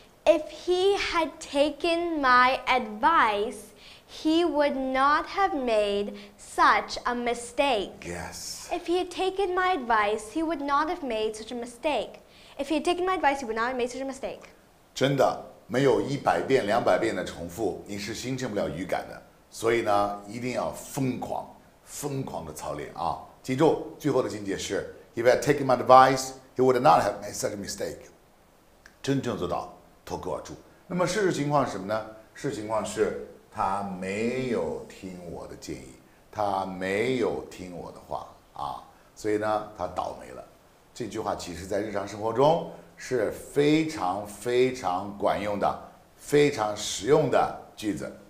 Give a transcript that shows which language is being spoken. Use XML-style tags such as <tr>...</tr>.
<en>If he had taken my advice, he would not have made such a mistake. Yes. If he had taken my advice, he would not have made such a mistake.</en> <zh>真的，没有100遍、200遍的重复，你是形成不了语感的。所以呢，一定要疯狂、疯狂的操练啊！记住，最后的境界是</zh> <en>：If I take my advice, you would not have made such a mistake。</en> <zh>真正做到脱口而出。那么事实情况是什么呢？事实情况是他没有听我的建议，他没有听我的话啊，所以呢，他倒霉了。这句话其实在日常生活中是非常非常管用的，非常实用的句子。</zh>